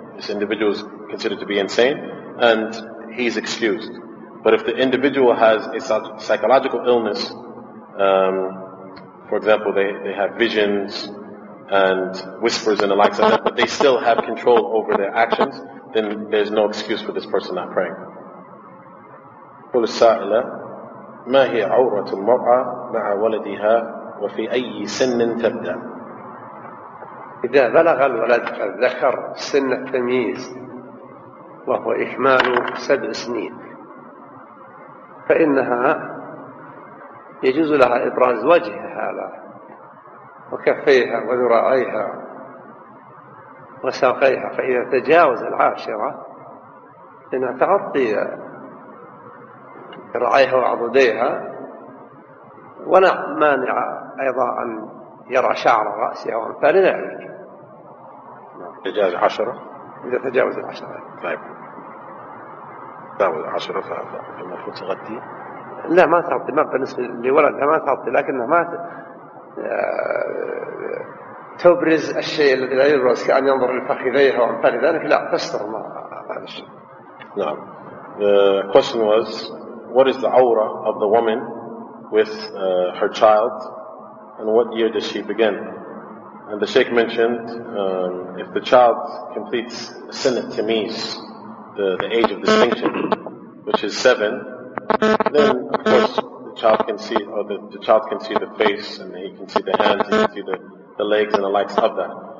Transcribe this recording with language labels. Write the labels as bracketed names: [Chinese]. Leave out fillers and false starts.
[English] This individual is considered to be insane and he's excused. But if the individual has a psychological illness, for example, they have visions and whispers and the likes of that, but they still have control over their actions, then there's no excuse for this person not praying. [Arabic] قل السائلة: ما هي عورة المرأة مع ولدها وفي أي سن تبدأ؟ إذا بلغ الولد الذكر سن التمييز وهو إكمال 7 سنين فإنها يجوز لها إبراز وجهها له وكفيها وذراعيها وساقيها، فإذا تجاوز 10 إنها تغطي ذراعيها وعضديها، ولا مانع أيضا أن يرى شعر رأسها وأمثال ذلك. إذا تجاوز العشرة طيب تجاوز 10 فالمفروض تغطي؟ لا ما تغطي، ما بالنسبة لولدها ما تغطي، لكنها ما تبرز الشيء الذي لا يبرز، كأن ينظر لفخذيها وأمثال ذلك، لا تستر ما هذا الشيء. نعم. [English] The question was: what is the aura of the woman with her child, and what year does she begin? And the Sheikh mentioned, if the child completes sin at Tamiz, the age of distinction, which is 7, then of course the child can see, or the child can see the face, and he can see the hands, he can see the legs and the likes of that.